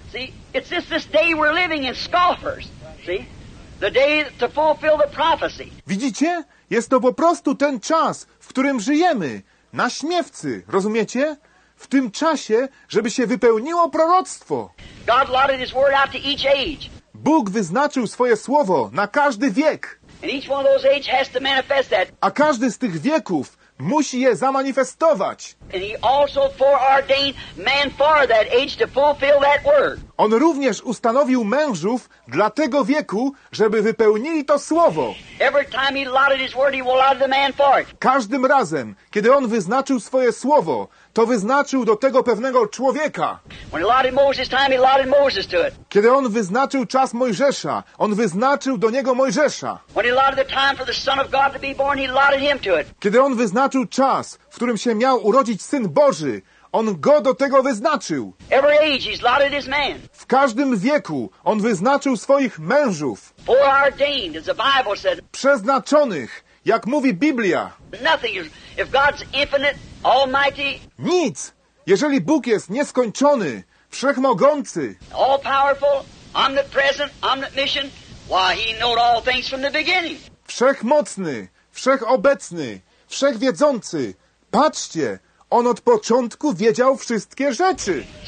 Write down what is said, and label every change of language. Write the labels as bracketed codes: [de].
[en] See, it's this day we're living in scoffers. See? the day to fulfill the prophecy. [pl] Widzicie? Jest to po prostu ten czas, w którym żyjemy, na śmiewcy, rozumiecie? W tym czasie, żeby się wypełniło proroctwo. [en] God allotted his word out to each age. [pl] Bóg wyznaczył swoje słowo na każdy wiek. [en] And each one of those age has to manifest that. [pl] A każdy z tych wieków musi je zamanifestować. [en] And he also foreordained man for that age to fulfill that word. [pl] On również ustanowił mężów dla tego wieku, żeby wypełnili to słowo. [en] Every time he allotted his word, he will allot the man for it. [pl] Każdym razem, kiedy on wyznaczył swoje słowo, to wyznaczył do tego pewnego człowieka. [en] When he allotted Moses time, he allotted Moses to it. [pl] Kiedy on wyznaczył czas Mojżesza, on wyznaczył do niego Mojżesza. [en] When he allotted the time for the Son of God to be born, he allotted him to it. [pl] Kiedy on wyznaczył czas, w którym się miał urodzić Syn Boży, on go do tego wyznaczył. [en] Every age he's allotted his man. [pl] W każdym wieku on wyznaczył swoich mężów. [en] Foreordained, as the Bible said. [pl] Przeznaczonych, jak mówi Biblia. [en] Nothing is, if God's infinite, almighty. [pl] Nic, jeżeli Bóg jest nieskończony, wszechmogący. [en] All powerful, omnipresent, omniscient. Why, he knew all things from the beginning. [pl] Wszechmocny, wszechobecny, wszechwiedzący. Patrzcie, on od początku wiedział wszystkie rzeczy.